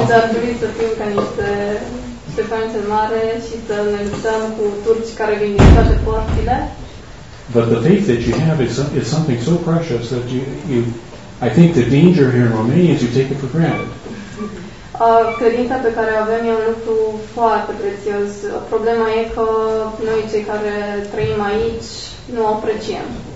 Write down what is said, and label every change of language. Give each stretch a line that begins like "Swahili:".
Romanian: Și ți-ar trebui să fim ca niște Stefan cel Mare și să ne luptăm cu turci care vin din toate porțile.
English: But the faith that you have is something so precious that you I think the danger here in Romania is you take it for granted.
Romanian: Credința pe care o avem e un lucru foarte prețios. Problema e că noi cei care trăim aici nu o apreciem.